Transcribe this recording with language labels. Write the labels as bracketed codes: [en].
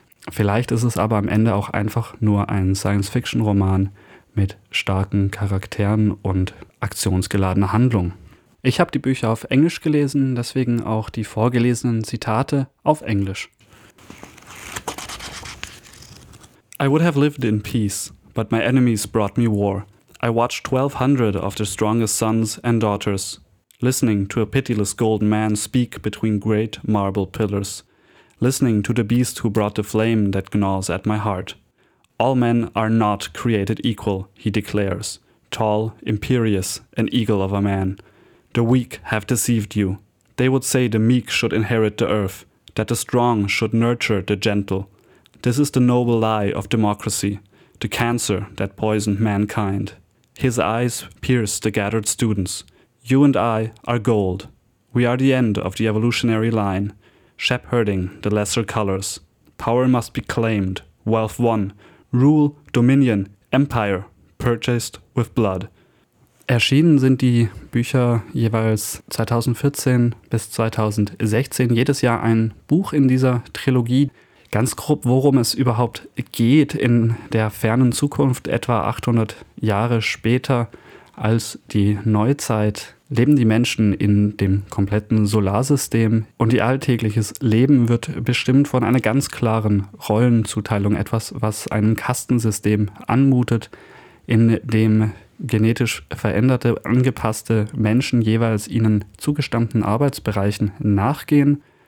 [de] Vielleicht ist es aber am Ende auch einfach nur ein Science-Fiction-Roman mit starken Charakteren und aktionsgeladener Handlung. Ich habe die Bücher auf Englisch gelesen, deswegen auch die vorgelesenen Zitate auf Englisch. [en] I would have lived in peace, but my enemies brought me war. I watched 1,200 of the strongest sons and daughters, listening to a pitiless golden man speak between great marble pillars, listening to the beast who brought the flame that gnaws at my heart. All men are not created equal, he declares, tall, imperious, an eagle of a man. The weak have deceived you. They would say the meek should inherit the earth, that the strong should nurture the gentle. This is the noble lie of democracy, the cancer that poisoned mankind. His eyes pierce the gathered students. You and I are gold. We are the end of the evolutionary line, shepherding the lesser colors. Power must be claimed, wealth won, rule, dominion, empire, purchased with blood. [de] Erschienen sind die Bücher jeweils 2014 bis 2016, jedes Jahr ein Buch in dieser Trilogie. Ganz grob, worum es überhaupt geht in der fernen Zukunft, etwa 800 Jahre später als die Neuzeit, leben die Menschen in dem kompletten Solarsystem und ihr alltägliches Leben wird bestimmt von einer ganz klaren Rollenzuteilung, etwas, was einem Kastensystem anmutet, in dem genetisch veränderte, angepasste Menschen jeweils ihnen zugestammten Arbeitsbereichen nachgehen.